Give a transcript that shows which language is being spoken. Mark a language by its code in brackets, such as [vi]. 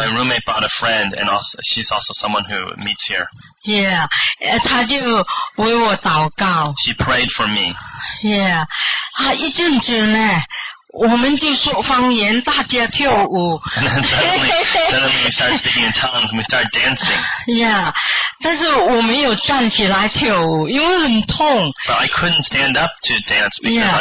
[en] My roommate brought a friend, and also, she's also someone who meets here. [zh] Yeah, 他就为我祷告。 [en] She prayed for me. [zh] Yeah, 啊，一阵子呢，我们就说方言，大家跳舞。 [en] And then suddenly we started speaking in tongues, and we started dancing. Yeah. [zh] 但是我没有站起来跳舞，因为很痛。 [en] But I couldn't stand up to dance because